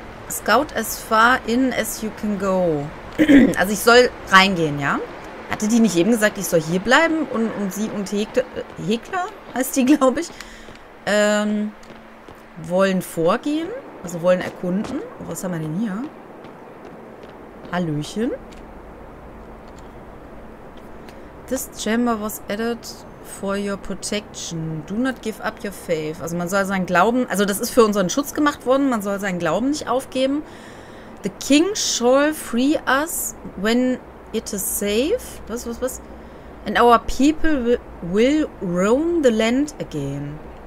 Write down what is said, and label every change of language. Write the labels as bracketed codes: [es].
[en] Scout as far in as you can go. [de] Also ich soll reingehen, ja? Hatte die nicht eben gesagt, ich soll hier bleiben und sie und Hekla heißt die, glaube ich, wollen vorgehen, also wollen erkunden. Was haben wir denn hier? Hallöchen. [en] This chamber was added for your protection. Do not give up your faith. [de] Also man soll seinen Glauben, also das ist für unseren Schutz gemacht worden, man soll seinen Glauben nicht aufgeben. [en] The king shall free us when it is safe. [de] Was, was, was? [en] And our people will roam the land again.